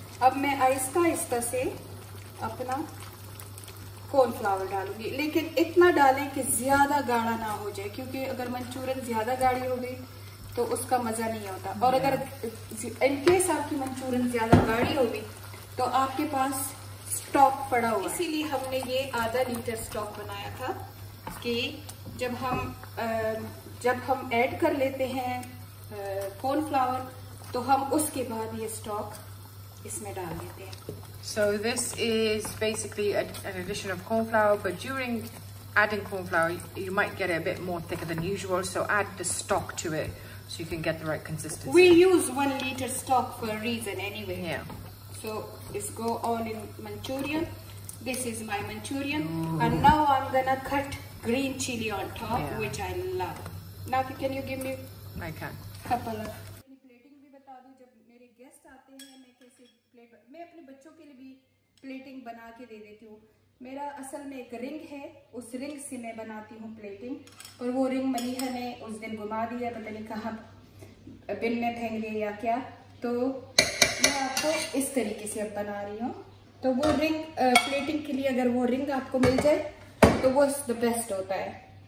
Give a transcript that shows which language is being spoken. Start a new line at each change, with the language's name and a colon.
Hindi: Ab main aista aista se अपना corn flour डालूंगी लेकिन इतना डालें कि ज्यादा गाढ़ा ना हो जाए क्योंकि अगर मंचूरियन ज्यादा गाढ़ी हो गई तो उसका मजा नहीं होता और अगर इन केस आपकी मंचूरियन ज्यादा गाढ़ी हो गई तो आपके पास स्टॉक पड़ा हुआ इसीलिए हमने ये आधा लीटर स्टॉक बनाया था कि जब हम ऐड कर लेते हैं कॉर्न फ्लावर तो हम उसके बाद ये स्टॉक इसमें डाल देते हैं
English: So this is basically an addition of corn flour, but during adding corn flour, you might get it a bit more thicker than usual. So add the stock to it so you can get the right consistency. We use 1 liter stock for a reason anyway. Yeah. So this go on in Manchurian. This is my Manchurian. Ooh. And now I'm going to cut green chili on top, yeah. which I love. Nafi, can you give me a couple of...
Hindi: मैं अपने बच्चों के लिए भी plating बना के दे देती हूँ मेरा असल में एक रिंग है उस रिंग से मैं बनाती हूँ प्लेटिंग और वो रिंग मनीहर ने उस दिन घुमा दिया पता नहीं कहाँ बिन में फेंक दिया या क्या तो मैं आपको इस तरीके से अब बना रही हूँ तो वो रिंग प्लेटिंग के लिए अगर वो रिंग आपको मिल जाए तो वो द बेस्ट होता है